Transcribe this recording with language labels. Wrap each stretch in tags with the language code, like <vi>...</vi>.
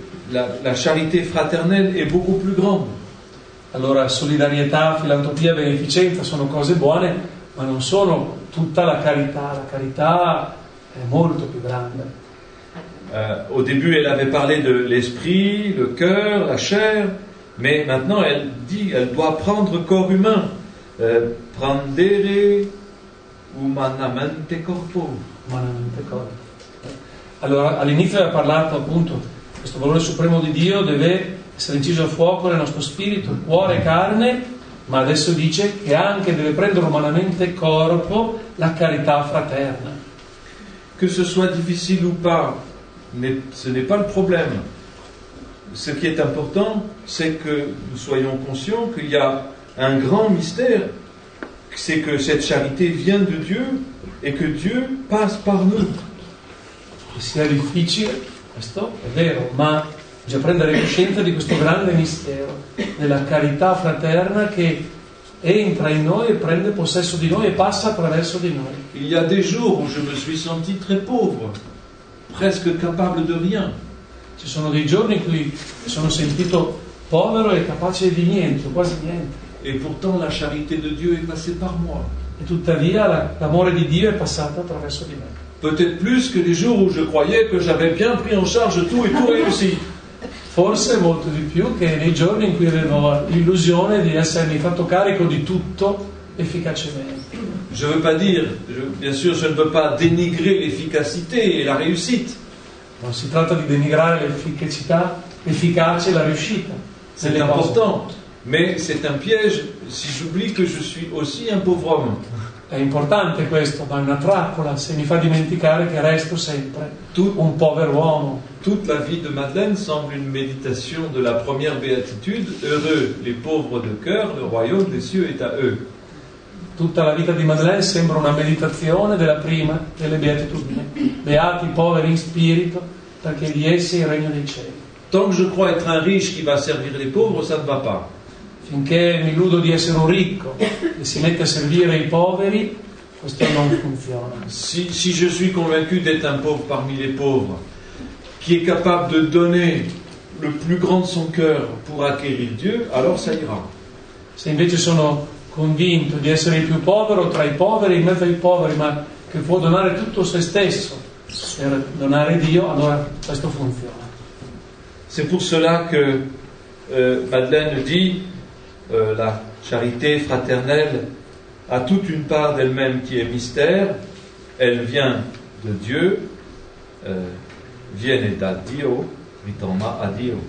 <fr>La charité fraternelle est beaucoup plus grande.</fr> <it>Allora, solidarietà, filantropia, beneficenza sono cose buone, ma non sono tutta la carità. La carità è molto più grande.</it> <fr>Au début, elle avait parlé de l'esprit, le cœur, la chair, mais maintenant elle dit elle doit prendre corps humain.</fr> <it>Prendere umanamente corpo. Umanamente corpo. Allora, all'inizio aveva parlato appunto, questo valore supremo di Dio deve essere inciso a fuoco nel nostro spirito, cuore e carne, ma adesso dice che anche deve prendere umanamente corpo la carità fraterna.</it> <fr>Que ce soit difficile ou pas, ce n'est pas le problème. Ce qui est important, c'est que nous soyons conscients qu'il y a un grand mystère. C'est que cette charité vient de Dieu et que Dieu passe par nous. C'est difficile,</fr> <it>questo è vero, ma bisogna prendere coscienza di questo grande mistero della carità fraterna che entra in noi e prende possesso di noi e passa attraverso di noi.</it> <fr>Il y a des jours où je me suis senti très pauvre, presque capable de rien.</fr> <it>Ci sono dei giorni in cui mi sono sentito povero e capace di niente, quasi niente.</it> <fr>Et pourtant la charité de Dieu est passée par moi.</fr> <it>E tuttavia l'amore di Dio è passato attraverso di me.</it> <fr>Peut-être plus que les jours où je croyais que j'avais bien pris en charge tout et tout réussi.</fr> <it>Forse molto di più che nei giorni in cui avevo l'illusione di essermi fatto carico di tutto efficacemente.</it> <fr>Je veux pas dire, bien sûr, je ne veux pas dénigrer l'efficacité et la réussite.</fr> <it>Non si tratta di denigrare l'efficacia, l'efficacia e la riuscita.</it> <fr>C'est important, mais c'est un piège si j'oublie que je suis aussi un pauvre homme.</fr> <it>È importante questo, ma è una trappola se mi fa dimenticare che resto sempre un povero uomo.</it> <fr>Toute la vie de Madeleine semble une méditation de la première béatitude. Heureux les pauvres de cœur, le royaume des cieux est à eux.</fr> <it>Tutta la vita di Madeleine sembra una meditazione della prima delle beatitudini. Beati i poveri in spirito, perché di essi è il regno dei cieli.</it> <fr>Tant que je crois être un riche qui va servir les pauvres, ça ne va pas.</fr> <it>Finché mi illudo di essere un ricco e si mette a servire i poveri, questo non funziona.</it> <fr>Si je suis convaincu d'être un pauvre parmi les pauvres, qui est capable de donner le plus grand de son cœur pour acquérir Dieu, alors ça ira.</fr> <it>Se invece sono convinto di essere il più povero tra i poveri, in mezzo ai poveri, ma che può donare tutto se stesso per donare Dio, allora questo funziona.</it> <fr>C'est pour cela que Madeleine dit la charité fraternelle a toute une part d'elle-même qui est mystère, elle vient de Dieu,</fr> <it>viene da Dio, ritorna a Dio.</it>